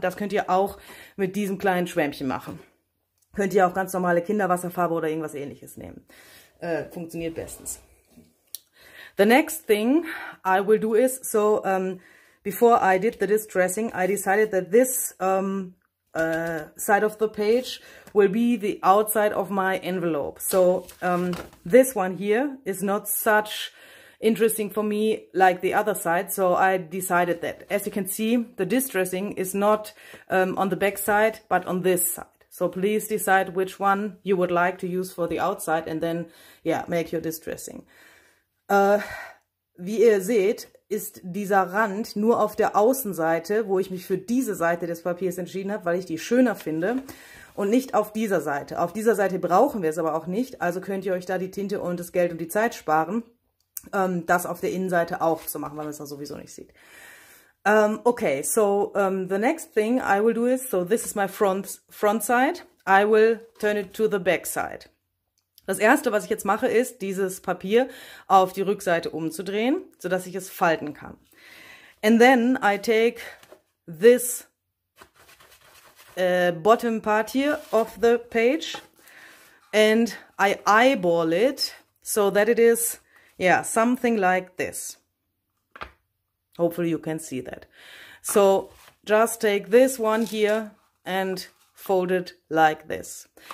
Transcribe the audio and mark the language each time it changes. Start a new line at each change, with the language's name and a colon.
German: Das könnt ihr auch mit diesem kleinen Schwämmchen machen. Könnt ihr auch ganz normale Kinderwasserfarbe oder irgendwas ähnliches nehmen. Funktioniert bestens.
English: The next thing I will do is, so before I did the distressing, I decided that this side of the page will be the outside of my envelope. So this one here is not such interesting for me like the other side, so I decided that. As you can see, the distressing is not on the back side, but on this side. So please decide which one you would like to use for the outside and then, yeah, make your distressing.
German: Wie ihr seht, ist dieser Rand nur auf der Außenseite, wo ich mich für diese Seite des Papiers entschieden habe, weil ich die schöner finde, und nicht auf dieser Seite. Auf dieser Seite brauchen wir es aber auch nicht, also könnt ihr euch da die Tinte und das Geld und die Zeit sparen, das auf der Innenseite auch zu machen, weil man es da sowieso nicht sieht.
English: Okay, so the next thing I will do is, so this is my front side, I will turn it to the back side.
German: Das erste, was ich jetzt mache, ist, dieses Papier auf die Rückseite umzudrehen, so dass ich es falten kann.
English: And then I take this bottom part here of the page and I eyeball it so that it is, yeah, something like this. Hopefully you can see that. So just take this one here and fold it like this.